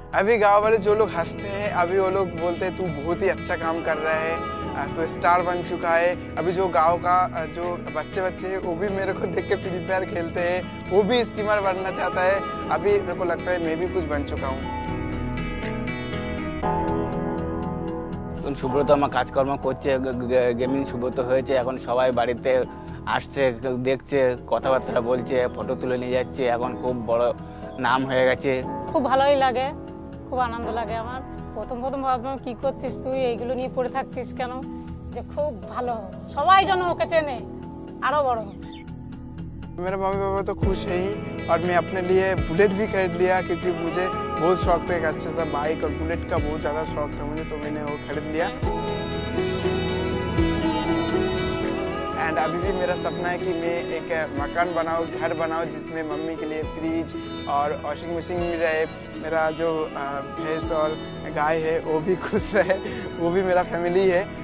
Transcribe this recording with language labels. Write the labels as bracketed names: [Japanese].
[Hindi] अभी गांव वाले जो लोग हंसते हैं, अभी वो लोग बोलते हैं तू बहुत ही अच्छा काम कर रहा है, तू स्टार बन चुका है। अभी जो गांव का जो बच्चे बच्चे हैं वो भी मेरे को देख के फ्री फायर खेलते हैं, वो भी स्ट्रीमर बनना चाहता है। अभी मेरे को लगता है मैं भी कुछ बन चुका हूँ। [Bangla] সুব্রত আমার কাজকর্ম করছে, গেমিং সুব্রত হয়েছে, এখন সবাই বাড়িতে আসছে, দেখছে, কথাবার্তা বলছে, ফটো তুলে নিয়ে যাচ্ছে, এখন খুব বড় নাম হয়ে গেছে। খুব ভালোই লাগে, খুব আনন্দ লাগে আমার। প্রথম প্রথম ভাবলাম কি করছিস তুই, এইগুলো নিয়ে পড়ে থাকছিস কেন, যে খুব ভালো সবাই যেন ওকে চেনে আরো বড়। [Hindi] मेरे मम्मी पापा तो खुश है ही, और मैं अपने लिए बुलेट भी खरीद लिया क्योंकि मुझे बहुत शौक था एक अच्छे सा बाइक और बुलेट का बहुत ज्यादा शौक था मुझे, तो मैंने वो खरीद लिया। एंड अभी भी मेरा सपना है कि मैं एक मकान बनाऊँ, घर बनाऊँ जिसमें मम्मी के लिए फ्रिज और वॉशिंग मशीन भी रहे, मेरा जो भैंस और गाय है वो भी खुश रहे, वो भी मेरा फैमिली है।